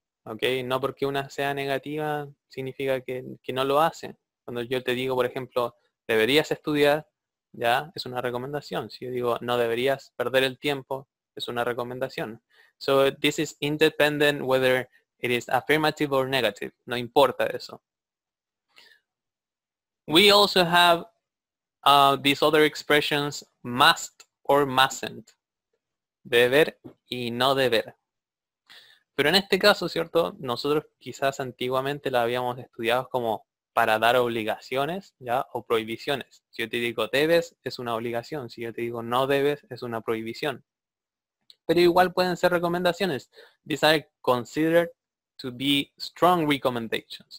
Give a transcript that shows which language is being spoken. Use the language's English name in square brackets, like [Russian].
[Spanish] Okay, no porque una sea negativa significa que no lo hace. Cuando yo te digo, por ejemplo, deberías estudiar, ya es una recomendación. Si yo digo no deberías perder el tiempo, es una recomendación. [English] So this is independent whether it is affirmative or negative. [Spanish] No importa eso. [English] We also have these other expressions, must or mustn't. [Spanish] Deber y no deber. Pero en este caso, ¿cierto? Nosotros quizás antiguamente la habíamos estudiado como para dar obligaciones, ¿ya? O prohibiciones. Si yo te digo debes, es una obligación. Si yo te digo no debes, es una prohibición. Pero igual pueden ser recomendaciones. [English] These are considered to be strong recommendations.